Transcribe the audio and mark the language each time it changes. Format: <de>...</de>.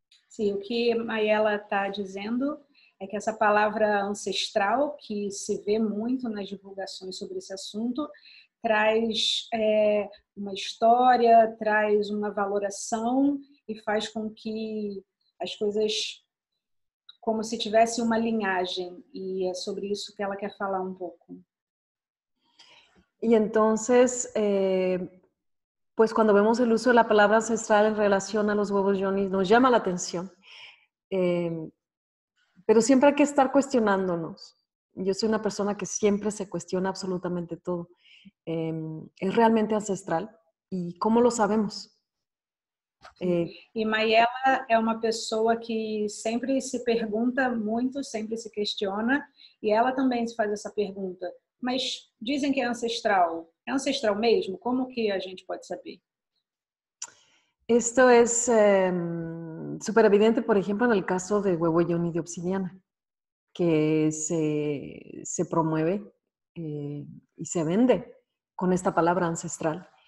<pt>Sim, o que Mayela está dizendo é que essa palavra ancestral, que se vê muito nas divulgações sobre esse assunto, traz uma história, traz uma valoração e faz com que as coisas, como se tivesse uma linhagem, e é sobre isso que ela quer falar um pouco.</pt> <es>Y entonces, pues cuando vemos el uso de la palabra ancestral en relación a los huevos yonis, nos llama la atención. Pero siempre hay que estar cuestionándonos. Yo soy una persona que siempre se cuestiona absolutamente todo. ¿Es realmente ancestral? ¿Y cómo lo sabemos?</es> <pt>E Mayela é uma pessoa que sempre se pergunta muito, sempre se questiona, e ela também se faz essa pergunta. Mas dizem que é ancestral. É ancestral mesmo? Como que a gente pode saber?</pt> <es>Esto es súper evidente, por ejemplo, en el caso de huevo yoni de obsidiana, que se promueve y se vende con esta palabra ancestral.</es>